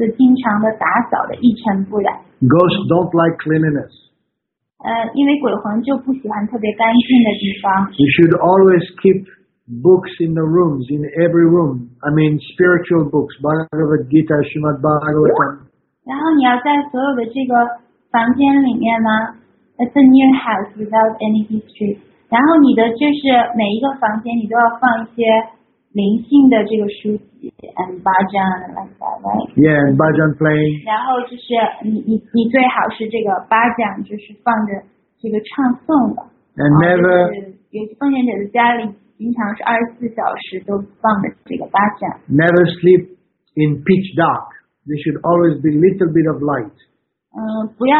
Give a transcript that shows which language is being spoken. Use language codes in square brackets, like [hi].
[zh] 有一点很重要，就是你要把这个房子经常的打扫的一尘不染。 [en] Ghosts don't like cleanliness. [zh] 因为鬼魂就不喜欢特别干净的地方。 [en] You should always keep books in the rooms, in every room. I mean, spiritual books, Bhagavad Gita, Srimad Bhagavatam. [zh] 然后你要在所有的这个房间里面呢, [en] it's a new house without any history. [zh] 然后你的就是每一个房间你都要放一些灵性的这个书籍, [en] and bhajan, like that, right? Yeah, and bhajan playing. [zh] 然后就是你最好是这个bhajan就是放着这个唱诵的。 [en] And never... [zh] 就是奉献者的家里, 经常是24小时都放着这个八项。 [en] Never sleep in pitch dark. There should always be a little bit of light.